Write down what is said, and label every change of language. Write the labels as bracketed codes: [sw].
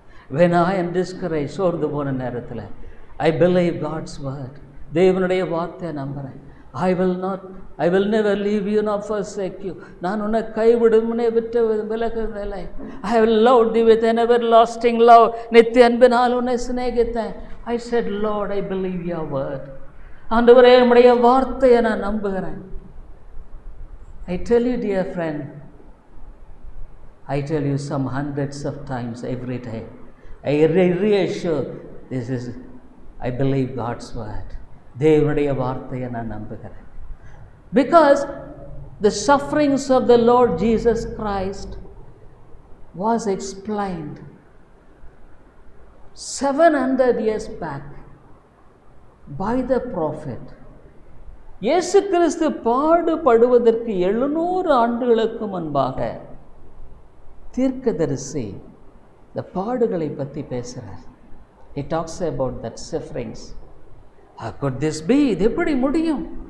[en] When I am discouraged, [ta] sorndu pona nerathile, [en] I believe God's word, [ta] devanudaiya vaarthaya nambara. [en] I will never leave you nor forsake you. [ta] Naan unna kai vidumne vittu velakavella. [en] I have loved thee with an everlasting love. [ta] Nithyanbinal unna snehithan. [en] I said, Lord, I believe your word. [ta] ஆண்டவரே நம்முடைய வார்த்தையை நான் நம்புகிறேன். [en] I tell you, dear friend, I tell you some hundreds of times every day, I reassure, this is, I believe God's word. [ta] தேவனுடைய வார்த்தையை நான் நம்புகிறேன். [en] Because the sufferings of the Lord Jesus Christ was explained 700 years back by the prophet. [ta] இயேசு கிறிஸ்து பாடுபடுவதற்கு 700 ஆண்டுகளுக்கு முன்பாக தீர்க்கதரிசி இந்த பாடுகளை பற்றி பேசுகிறார். [en] He talks about that sufferings. How could this be? [ta] இது எப்படி முடியும்?